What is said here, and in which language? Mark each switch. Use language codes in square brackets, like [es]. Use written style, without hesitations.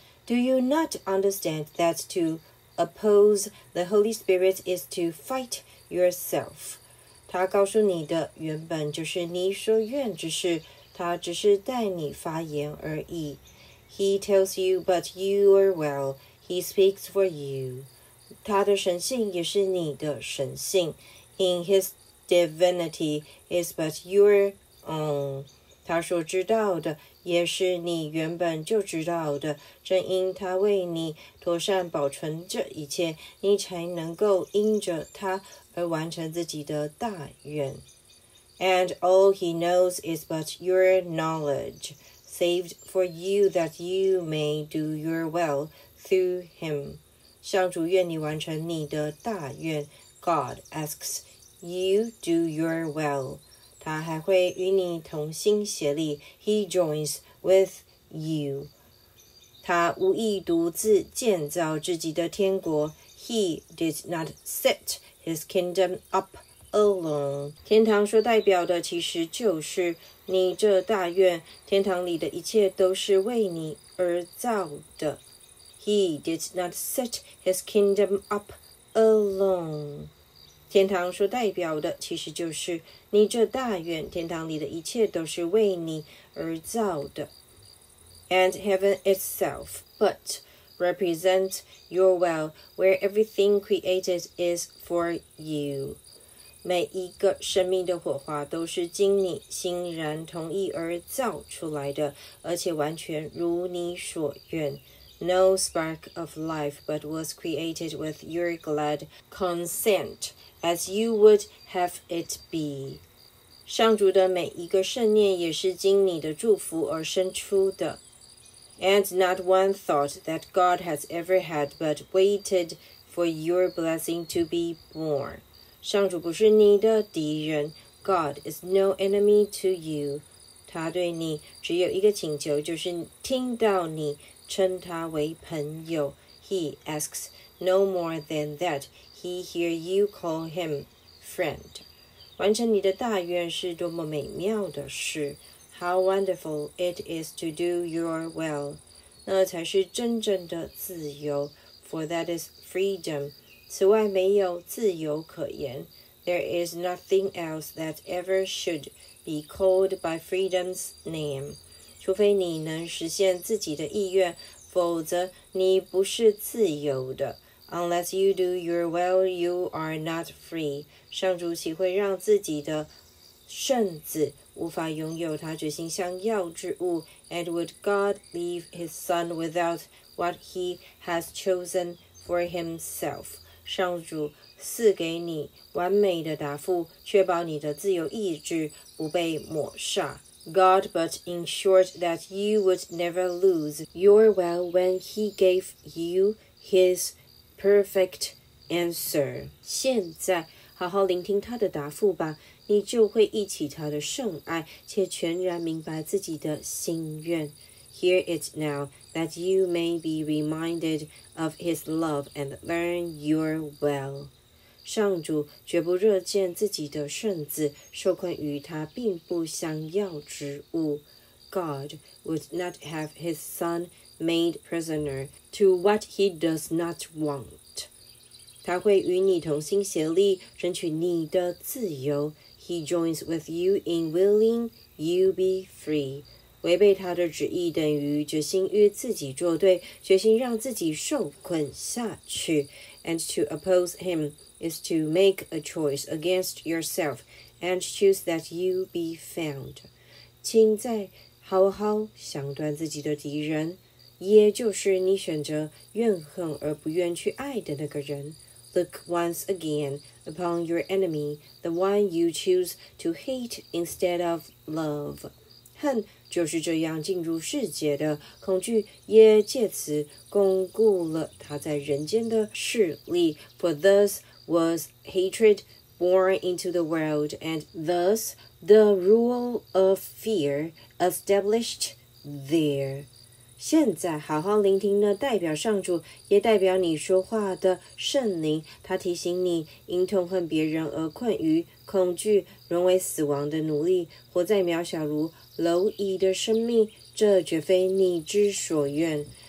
[en] Do you not understand that to oppose the Holy Spirit is to fight yourself? [zh] 他告诉你的原本就是你所愿之事，他只是带你发言而已。 [en] He tells you, but your will, he speaks for you. [zh] 他的神性也是你的神性。 [en] In his divinity is but your own. [zh] 他所知道的也是你原本就知道的。正因他为你妥善保存这一切，你才能够因着他而完成自己的大愿。 [en] And all he knows is but your knowledge, saved for you that you may do your will through him. [zh] 上主愿你完成你的大愿。 [en] God asks you do your will. [zh] 他还会与你同心协力。 [en] He joins with you. [zh] 他无意独自建造自己的天国。 [en] He did not sit. His kingdom up alone. [zh] 天堂所代表的其实就是你这大愿，天堂里的一切都是为你而造的。 [en] He did not set his kingdom up alone. [zh] 天堂所代表的其实就是你这大愿，天堂里的一切都是为你而造的。 [en] And heaven itself, but... represent your will where everything created is for you. [zh] 每一个生命的火花都是经你欣然同意而造出来的，而且完全如你所愿。 [en] No spark of life but was created with your glad consent as you would have it be. [zh] 上主的每一个圣念也是经你的祝福而生出的。 [en] And not one thought that God has ever had but waited for your blessing to be born. [zh] 上主不是你的敌人， [en] God is no enemy to you. [zh] 他对你只有一个请求，就是听到你称他为朋友。 [en] He asks no more than that. He hears you call him friend. [zh] 完成你的大愿是多么美妙的事。 [en] How wonderful it is to do your will. [zh] 那才是真正的自由。 [en] For that is freedom. [zh] 此外没有自由可言。 [en] There is nothing else that ever should be called by freedom's name. [zh] 除非你能实现自己的意愿，否则你不是自由的。 [en] Unless you do your will, you are not free. [zh] 上主岂会让自己的圣子无法拥有他决心想要之物。 [en] And would God leave his son without what he has chosen for himself? [zh] 上主赐给你完美的答复，确保你的自由意志不被抹杀。 [en] God but ensured that you would never lose your will when he gave you his perfect answer. [zh] 现在好好聆听他的答复吧，你就会忆起他的圣爱，且全然明白自己的心愿。 [en] Hear it now, that you may be reminded of his love and learn your will. [zh] 上主绝不热见自己的圣子受困于他并不想要之物。 [en] God would not have his son made prisoner to what he does not want. [zh] 他会与你同心协力争取你的自由。 [en] He joins with you in willing you be free. [zh] 违背他的旨意等于决心与自己作对，决心让自己受困下去。 [en] And to oppose him is to make a choice against yourself and choose that you be found. [zh] 请再好好想断自己的敌人，也就是你选择怨恨而不愿去爱的那个人。 [en] Look once again upon your enemy, the one you choose to hate instead of love. [zh] 恨就是这样进入世界的，恐惧也借此巩固了他在人间的势力。 [en] For thus was hatred born into the world, and thus the rule of fear established there. [zh] 现在好好聆听呢，代表上主，也代表你说话的圣灵，他提醒你因痛恨别人而困于恐惧，沦为死亡的奴隶，活在渺小如蝼蚁的生命，这绝非你之所愿。